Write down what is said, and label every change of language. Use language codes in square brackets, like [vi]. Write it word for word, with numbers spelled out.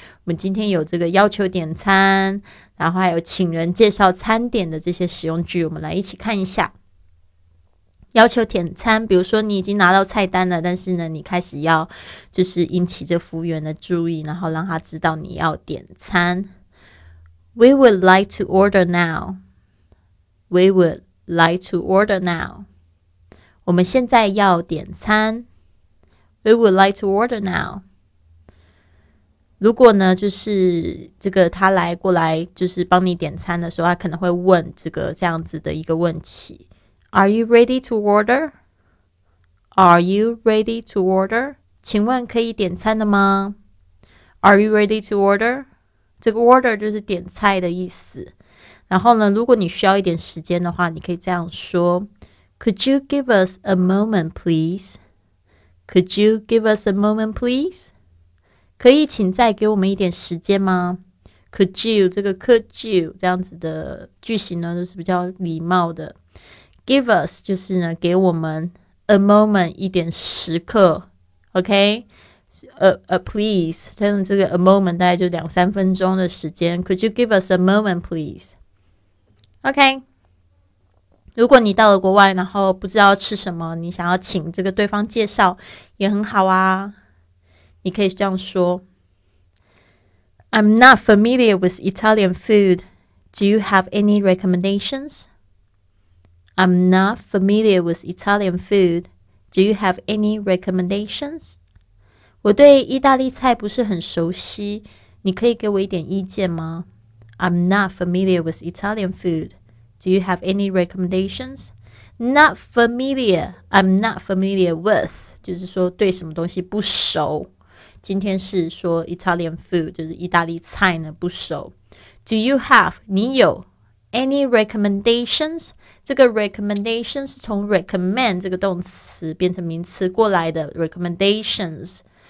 [zh] 我们今天有这个要求点餐，然后还有请人介绍餐点的这些实用句，我们来一起看一下。要求点餐，比如说你已经拿到菜单了，但是呢，你开始要就是引起这服务员的注意，然后让他知道你要点餐。 [en] We would like to order now. We would like to order now. [zh] 我们现在要点餐。 [en] We would like to order now. [zh] 如果呢，就是这个他来过来，就是帮你点餐的时候，他可能会问这个这样子的一个问题。 [en] Are you ready to order? Are you ready to order? [zh] 请问可以点餐的吗？ [en] Are you ready to order? [zh] 这个 order 就是点菜的意思。然后呢，如果你需要一点时间的话，你可以这样说 [en] Could you give us a moment please? Could you give us a moment please? [zh] 可以请再给我们一点时间吗？Could you 这个 could you 这样子的句型呢，就是比较礼貌的。 [en] Give us [zh] 就是呢给我们 [en] a moment [zh] 一点时刻 [en] OK A, a please [zh] 但是这个 [en] a moment [zh] 大概就两三分钟的时间 [en] Could you give us a moment please? [zh] OK， 如果你到了国外然后不知道吃什么，你想要请这个对方介绍也很好啊，你可以这样说 [en] I'm not familiar with Italian food. Do you have any recommendations? I'm not familiar with Italian food. Do you have any recommendations? [zh] 我对意大利菜不是很熟悉，你可以给我一点意见吗？ [en] I'm not familiar with Italian food. Do you have any recommendations? Not familiar. I'm not familiar with. [zh] 就是说对什么东西不熟。今天是说 Italian food， 就是意大利菜呢不熟。 [en] Do you have? [zh] 你有 [en] any recommendations? [zh] 这个 recommendation 是从 recommend 这个动词变成名词过来的 recommendations。